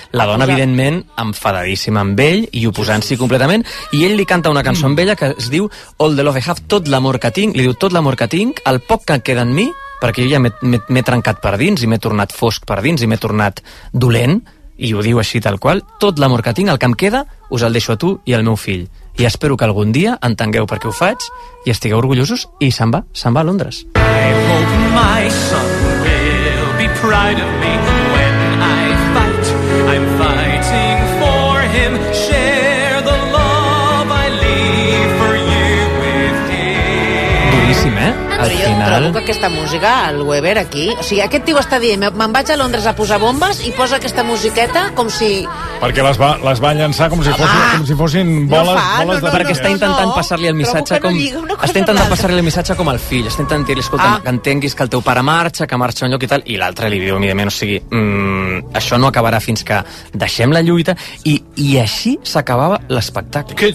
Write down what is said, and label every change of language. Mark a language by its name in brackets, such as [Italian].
[Catalan] La dona, evidentment, enfadadíssima amb ell i oposant-s'hi completament, i ell li canta una cançó amb ella que es diu All the Love I Have, tot l'amor que tinc, li diu tot l'amor que tinc, el poc que queda en mi, perquè jo ja m'he trencat per dins i m'he tornat fosc per dins i m'he tornat dolent, i ho diu així tal qual, tot l'amor que tinc, el que em queda, us el deixo a tu i al meu fill. I espero que algun dia entengueu per què ho faig i estigueu orgullosos, i se'n va a Londres. [English] I hope my son will be proud of me when I fight. I'm fighting for him. Share the love I leave for you with him. [Catalan] Duríssim, eh? Al final. provoca aquesta música, el Weber, aquí? O sigui, aquest tio està dient, me'n vaig a Londres a posar bombes i posa aquesta musiqueta com si... Perquè les va llançar com si fossin, com si fossin boles, no fa, boles de... Perquè està intentant passar-li el missatge com... Està intentant passar-li el missatge com al fill. Està intentant dir-li, escolta, que entenguis que el teu pare marxa, que marxa un lloc i tal, i l'altre li diu, evidentment, o sigui, això no acabarà fins que deixem la lluita, i així s'acabava l'espectacle.